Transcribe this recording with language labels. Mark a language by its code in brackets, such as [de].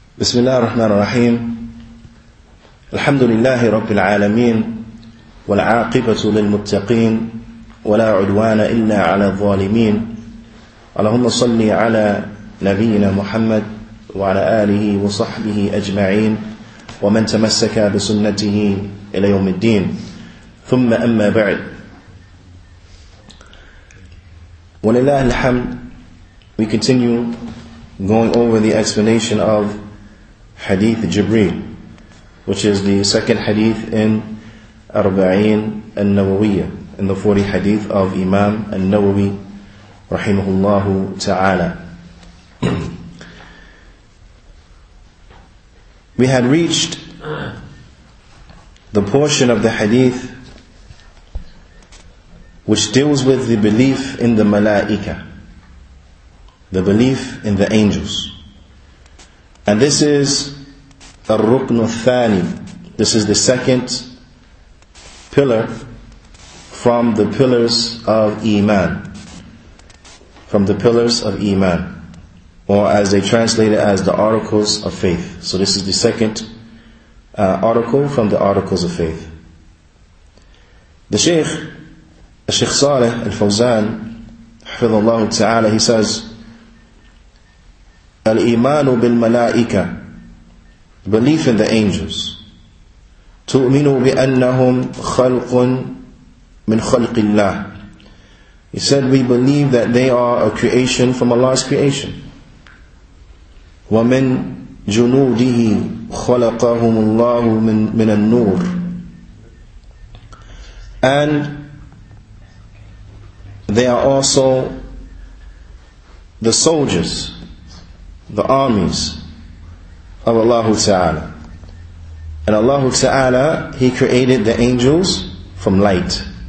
[ar] بسم الله الرحمن الرحيم الحمد لله رب العالمين والعاقبة للمتقين ولا عدوان إلا على الظالمين اللهم صل على نبينا محمد وعلى آله وصحبه أجمعين ومن تمسك بسنته إلى يوم الدين ثم أما بعد ولله الحمد. [en] We continue going over the explanation of Hadith Jibreel, which is the second hadith in Arba'in al-Nawawiyyah, in the 40 hadith of Imam al-Nawawi [ar] rahimahullahu ta'ala. [en] We had reached the portion of the hadith which deals with the belief in the malaika, the belief in the angels. And this is [ar] الركن الثاني. [en] This is the second pillar from the pillars of Iman. From the pillars of Iman. Or as they translate it, as the articles of faith. So this is the second article from the articles of faith. The Shaykh, Shaykh Saleh al-Fawzan, [ar] حفظ الله تعالى, [en] he says, [ar] الإيمان بالملائكة, [en] belief in the angels. [ar] تؤمنوا بأنهم خلق من خلق الله. [en] He said, we believe that they are a creation from Allah's creation. [ar] ومن جنوده خلقهم الله من النور. [en] And they are also the soldiers, the armies of Allah Ta'ala. And Allah Ta'ala, He created the angels from light.